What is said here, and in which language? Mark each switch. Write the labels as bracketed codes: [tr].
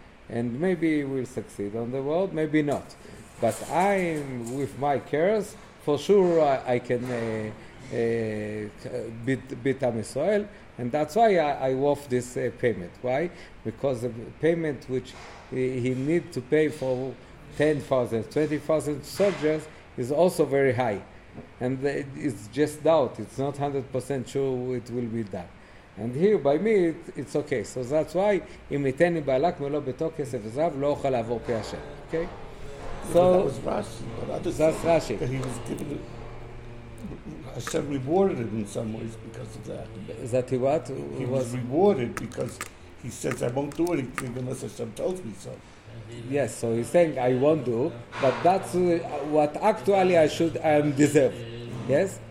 [en] And maybe he will succeed on the world, maybe not. But I'm with my cares, for sure I can beat Am Yisrael, and that's why I worth this payment. Why? Because the payment which he need to pay for 10,000, 20,000 soldiers is also very high. And it's just doubt, it's not 100% sure it will be done. And here by me, it's okay. So that's why, [he] אם יתן לי בעלק מלא בתו כסף עזב, לא אוכל לעבור פי השם. [en] Okay? So that's Rashi. He was given Hashem rewarded him in some ways because of that. Is that he what? He was rewarded because he says, I won't do anything unless Hashem tells me so. Yes, so he's saying, I won't do, but that's what actually I deserve. Yes?